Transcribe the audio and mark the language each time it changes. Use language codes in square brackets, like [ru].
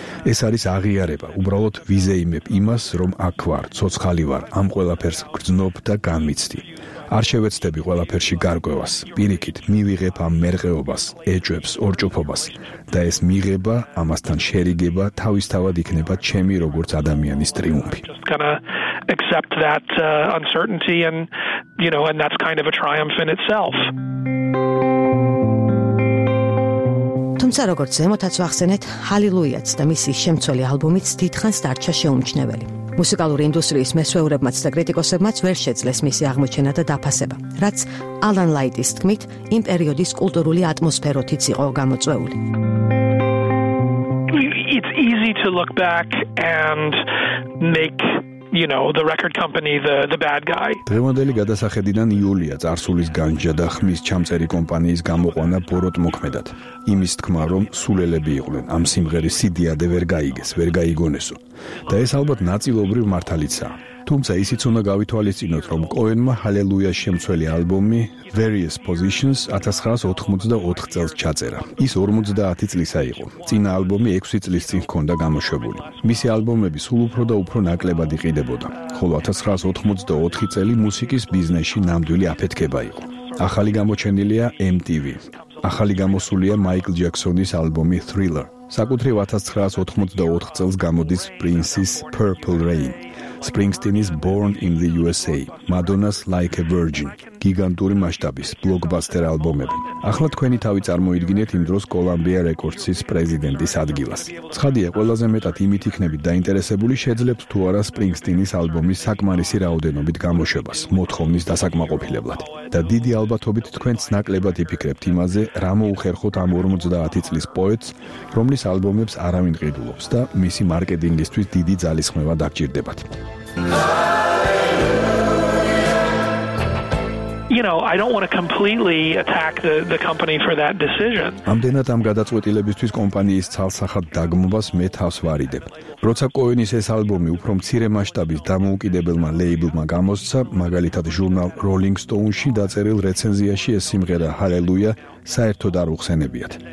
[ka] ეს არის აღიარება, უბრალოდ ვიზეიმებ იმას, რომ აქ ვარ, ცოცხალი ვარ, ამ ყველაფერს გრძნობ და განმიცდი. არ შევეცდები ყველაფერში გარკვევას, პირიქით მივიღებ ამ მერყეობას, ეჭვებს, ორჭოფობას და ეს მიღება, ამასთან შერიგება თავისთავად იქნება ჩემი როგორც ადამიანის ტრიუმფი. [en] Accept that uncertainty and you know and that's kind of a triumph in itself. [ka] თუმცა როგორც ზემოთაც ვახსენეთ, ჰალილუიაც და მისი შემცველი ალბომიც დიდხანს დარჩა შეუმჩნეველი. მუსიკალური ინდუსტრიის მესვეურებმაც და კრიტიკოსებმაც ვერ შეძლეს მისი აღმოჩენა და დაფასება, რაც ალან ლაიტის თქმით, იმ პერიოდის კულტურული ატმოსფეროთიც იყო გამოწვეული. [en] It's easy to look back and make you know the record company the bad guy. [ka] დღევანდელი გადასახედიდან იულია წარსულის განჯა და ხმის ჩამწერი კომპანიის გამოყვანა ბოროტ მოქმედად. იმის თქმა, რომ სულელები იყვნენ ამ სიმღერის სიდიადე ვერ გაიგეს, ვერ გაიგონესო. და ეს ალბათ ნაწილობრივ მართალიცაა. თუმცა ისიც უნდა გავითვალისწინოთ, რომ კოენმა ჰალელუიას შემცველი ალბომი Various Positions 1984 წელს ჩაწერა. ის 50 წლისა იყო. წინა ალბომი 6 წლის წინ ჰქონდა გამოშვებული. მისი ალბომები სულ უფრო და უფრო ნაკლებად იყიდებოდა. ხოლო 1984 წელი მუსიკის ბიზნესში ნამდვილი აფეთქება იყო. ახალი გამოჩენილია MTV. ახალი გამოსულია Michael Jackson-ის ალბომი Thriller. საკუთრივ 1984 წელს გამოდის Prince-ის Purple Rain. Springsteen's Born in the USA, Madonna's Like a Virgin, გიგანტური მასშტაბის ბლოკბასტერ ალბომები. ახლა თქვენი თავი წარმოიდგინეთ იმ დროს Columbia Records-ის პრეზიდენტის ადგილას. ცხადია, ყველაზე მეტად იმით იქნებით დაინტერესებული, შეძლებთ თუ არა Springsteen-ის ალბომის საკმარისი რაოდენობით გამოშვებას, მოთხოვნის დასაკმაყოფილებლად. და დიდი ალბათობით თქვენც ნაკლებად იფიქრებთ იმაზე, რა მოუხერხოთ ამ 50 წლის პოეტს, რომლის ალბომებს არავინ ყიდულობს და მისი მარკეტინგისთვის დიდი ძალისხმევა დაგჭირდებათ. [en] You know, I don't want to completely attack the company for that decision. [ka] ამდენად ამ გადაწყვეტილებისთვის კომპანიის ცალსახად დაგმობას მე თავს ვარიდებ. როცა კოენის ეს ალბომი უფრო მცირე მასშტაბის დამოუკიდებელმა ლეიბლმა გამოსცა, მაგალითად ჟურნალ Rolling Stone-ში დაწერილ რეცენზიაში ეს სიმღერა Hallelujah საერთოდ არ უხსენებიათ.